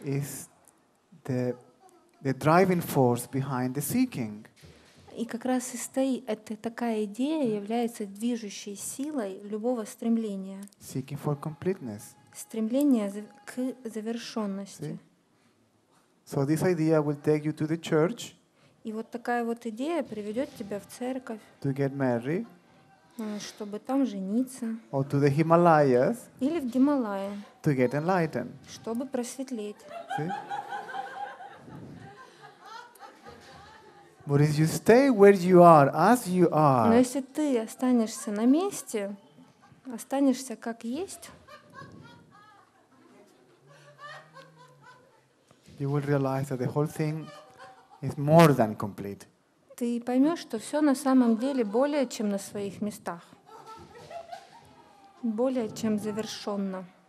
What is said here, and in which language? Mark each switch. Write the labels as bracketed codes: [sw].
[en] is the driving force behind the seeking. [ru] И как раз и стоит, это такая идея является движущей силой любого стремления. [en] Seeking for completeness. [ru] Стремление к завершенности. [en] So this idea will take you to the church. [ru] И вот такая вот идея приведет тебя в церковь. [en] To get married. [ru] чтобы там жениться. [en] Or to the Himalayas. [ru] Или в Гималаи. [en] To get enlightened. [ru] Чтобы просветлеть. [en] See? But if you stay where you are, as you are. [ru] Но если ты останешься на месте, останешься как есть. [en] You will realize that the whole thing is more than complete. [ru] Ты поймешь, что все на самом деле более чем на своих местах, более чем завершенно.